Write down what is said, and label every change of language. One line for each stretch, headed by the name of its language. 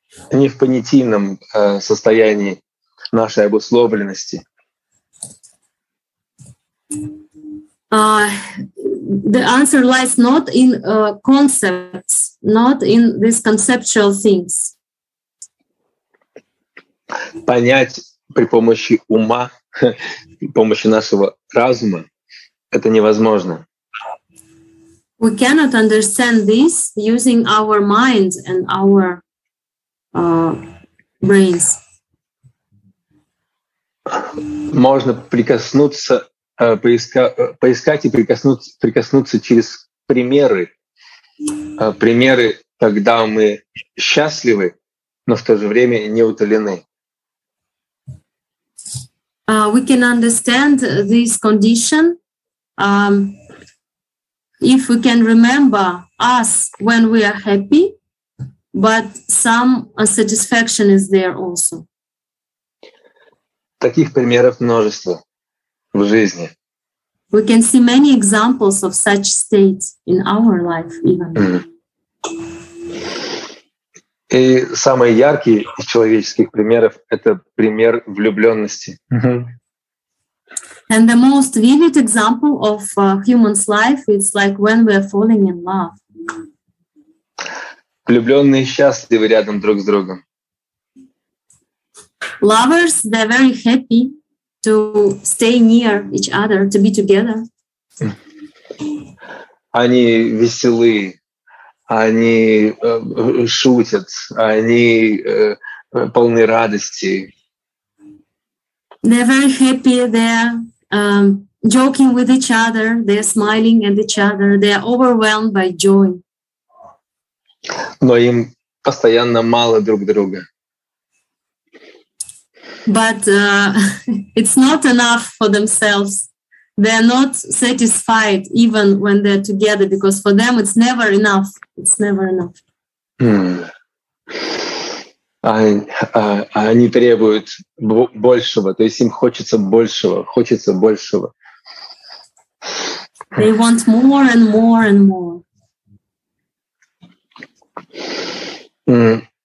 Russian: Не в понятийном состоянии нашей обусловленности.
English: The answer lies not in concepts, not in these conceptual things.
Russian: Понять при помощи ума, при помощи нашего разума, это невозможно.
English: We cannot understand this using our minds and our brains.
Russian: Можно прикоснуться. Поискать и прикоснуться через примеры. Примеры, когда мы счастливы, но в то же время не утолены.
English: We can understand this condition if we can remember us when we are happy, but some satisfaction is there also.
Russian: Таких примеров множество в жизни.
English: We can see many examples of such states in our life even.
Russian: И самый яркий из человеческих примеров — это пример влюблённости.
English: And the most vivid example of a human's life is like when we are falling in love.
Russian: Влюблённые счастливы рядом друг с другом.
English: Lovers, they're very happy to stay near each other, to be together.
Russian: Они веселы, они шутят, они полны радости.
English: They're very happy, they're joking with each other, they're smiling at each other, they're overwhelmed by joy.
Russian: Но им постоянно мало друг друга.
English: But it's not enough for themselves. They're not satisfied even when they're together, because for them it's never enough. It's never enough. Mm.
Russian: они требуют большего, то есть им хочется большего, хочется большего.
English: They want more and more and more.